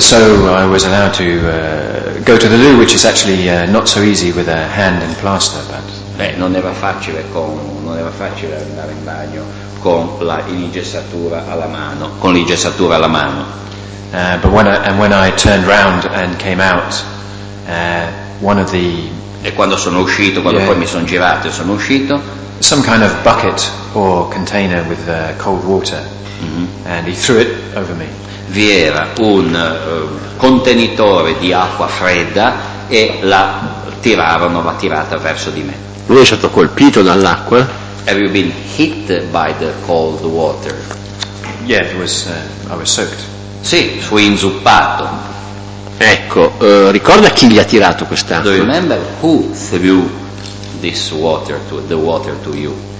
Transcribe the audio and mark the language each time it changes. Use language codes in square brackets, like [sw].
[en] So I was allowed to go to the loo, which is actually not so easy with a hand in plaster, but... [it] Non era facile andare in bagno con l'ingessatura alla mano. [en] But when I turned round and came out, one of the [it] e quando sono uscito, quando yeah, poi mi sono girato e sono uscito, [en] some kind of bucket or container with cold water, mm-hmm, and he threw it over me. [it] Vi era un contenitore di acqua fredda e la tirata verso di me. Lui è stato colpito dall'acqua. [en] Have you been hit by the cold water? Yeah, I was soaked. [it] Sì, fu inzuppato. Ecco, ricorda chi gli ha tirato quest'acqua? [en] Do you remember who threw this water to you?